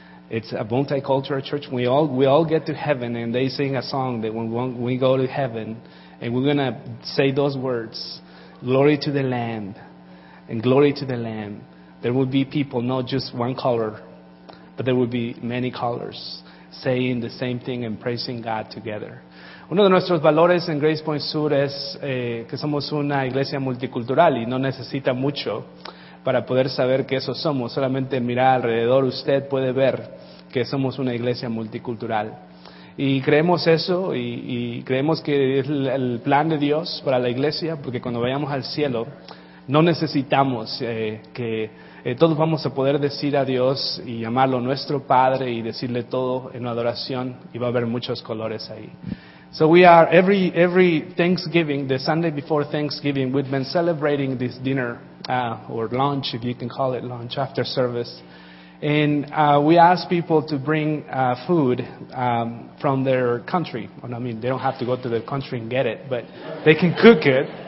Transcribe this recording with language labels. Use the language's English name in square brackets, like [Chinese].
[English] It's a multicultural church. We all get to heaven and they sing a song that when we go to heaven and we're going to say those words, glory to the Lamb. And glory to the Lamb. There will be people, not just one color, but there will be many colors saying the same thing and praising God together. [Spanish] Uno de nuestros valores en Grace Point Sur es que somos una iglesia multicultural y no necesita mucho para poder saber que eso somos. Solamente mirar alrededor, usted puede ver que somos una iglesia multicultural. Y creemos eso y creemos que es el plan de Dios para la iglesia, porque cuando vayamos al cielo, no necesitamos todos vamos a poder decir a Dios y llamarlo nuestro Padre y decirle todo en adoración y va a haber muchos colores ahí. [English] So we are every Thanksgiving, the Sunday before Thanksgiving, we've been celebrating this dinner or lunch, if you can call it lunch, after service. And we ask people to bring food from their country. Well, I mean, they don't have to go to their country and get it, but they can cook it.